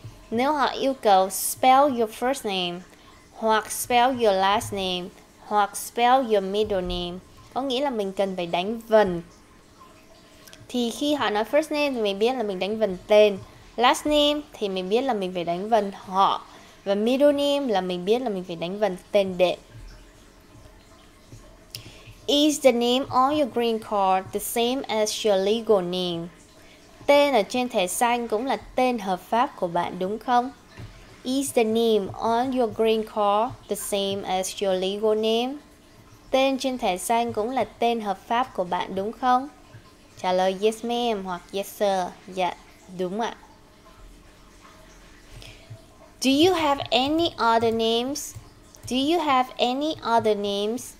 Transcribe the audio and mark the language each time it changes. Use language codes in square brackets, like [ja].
[vi] Nếu họ yêu cầu [en] spell your first name, [vi] hoặc [en] spell your last name, [vi] hoặc [en] spell your middle name, [vi] có nghĩa là mình cần phải đánh vần. Thì khi họ nói first name thì mình biết là mình đánh vần tên. Last name thì mình biết là mình phải đánh vần họ. Và middle name là mình biết là mình phải đánh vần tên đệm. [en] Is the name on your green card the same as your legal name? [vi] Tên ở trên thẻ xanh cũng là tên hợp pháp của bạn đúng không? [en] Is the name on your green card the same as your legal name? [vi] Tên trên thẻ xanh cũng là tên hợp pháp của bạn đúng không? Trả lời [en] yes ma'am [vi] hoặc [en] yes sir. [vi] Dạ, đúng ạ. [en] Do you have any other names? Do you have any other names?